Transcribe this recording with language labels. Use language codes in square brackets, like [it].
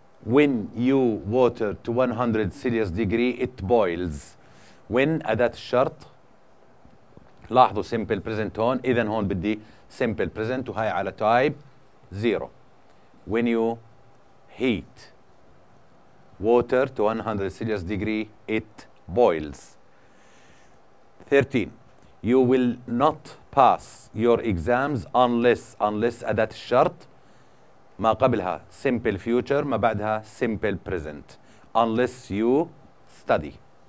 [en] When you water to 100 Celsius degree it boils. [ar] When أداة الشرط، لاحظوا simple present هون، إذن هون بدي simple present وهي على type 0. [en] When you heat water to 100 Celsius degree it boils. 13. You will not pass your exams unless [ar] أداة الشرط، ما قبلها [en] simple future [ar] ما بعدها [en] simple present، unless you study.